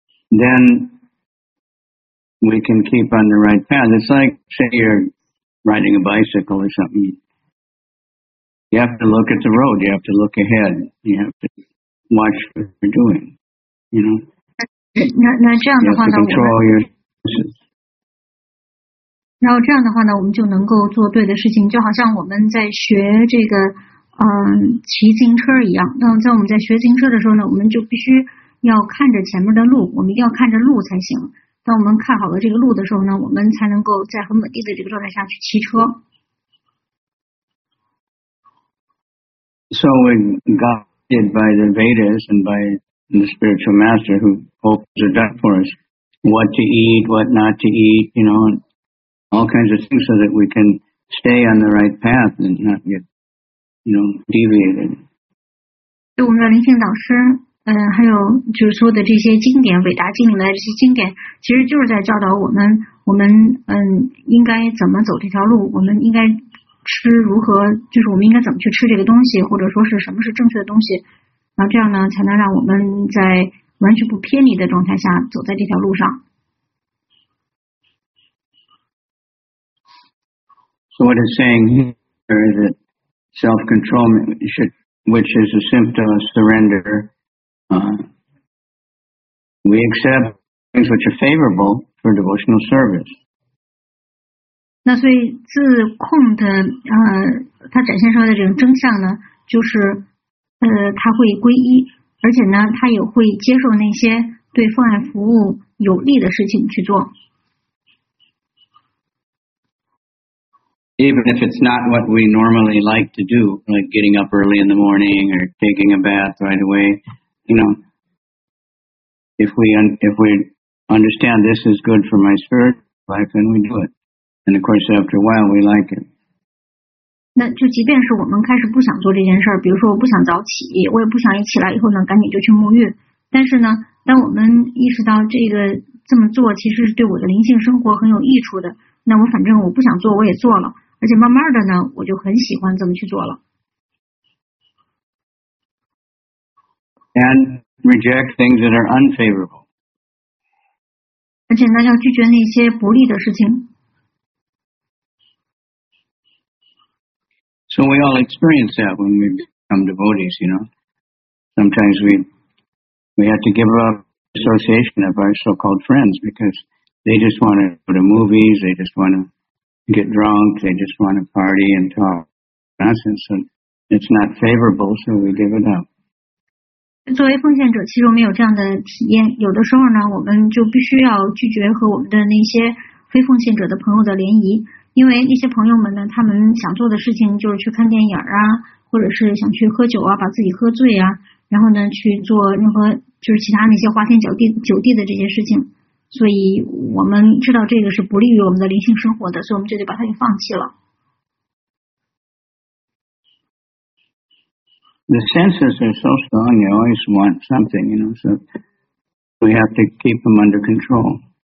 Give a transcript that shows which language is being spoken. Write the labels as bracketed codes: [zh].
[en] Then we can keep on the right path. It's like, say, you're riding a bicycle or something. You have to look at the road, you have to look ahead, you have to watch what you're doing, you know? [zh] 那这样的话呢 [en] you have to control your senses. [zh] 然后这样的话呢我们就能够做对的事情，就好像我们在学这个骑自行车一样。那在我们在学自行车的时候呢，我们就必须要看着前面的路，我们一定要看着路才行。当我们看好了这个路的时候呢，我们才能够在很稳定的这个状态下去骑车。 [en] So we're guided by the Vedas and by the spiritual master who opens it up for us, what to eat, what not to eat, you know, all kinds of things so that we can stay on the right path and not get, you know, deviated. [zh] 对我们的灵性导师，还有就是说的这些经典，伟大经典的这些经典，其实就是在教导我们，应该怎么走这条路，我们应该吃如何，就是我们应该怎么去吃这个东西，或者说是什么是正确的东西，然后这样呢，才能让我们在完全不偏离的状态下走在这条路上。 [en] So what it's saying here is that self-control, which is a symptom of surrender, we accept things which are favorable for devotional service. [zh] 那所以自控的它展现出来的这种真相呢，就是它会皈依，而且呢，它也会接受那些对奉爱服务有利的事情去做。 [en] Even if it's not what we normally like to do, like getting up early in the morning or taking a bath right away, you know, if we understand this is good for my spiritual life, then we do it. And of course, after a while, we like it. [zh] 那就即便是我们开始不想做这件事儿，比如说我不想早起，我也不想一起来以后呢赶紧就去沐浴。但是呢，当我们意识到这个这么做其实是对我的灵性生活很有益处的，那我反正我不想做我也做了，而且慢慢的呢我就很喜欢这么去做了。 [en] And reject things that are unfavorable. [zh] 而且呢要拒绝那些不利的事情。 [en] So we all experience that when we become devotees, you know. Sometimes we have to give up association of our so-called friends because they just want to go to movies, they just want to get drunk, they just want to party and talk nonsense, and it's not favorable, so we give it up. [zh] 作为奉献者，其实我们有这样的体验，有的时候呢，我们就必须要拒绝和我们的那些非奉献者的朋友的联谊。因为那些朋友们呢，他们想做的事情就是去看电影啊，或者是想去喝酒啊，把自己喝醉啊，然后呢去做任何就是其他那些花天酒地的这些事情，所以我们知道这个是不利于我们的灵性生活的，所以我们就得把它给放弃了。 [en] The senses are so strong, you always want something, you know, so we have to keep them under control.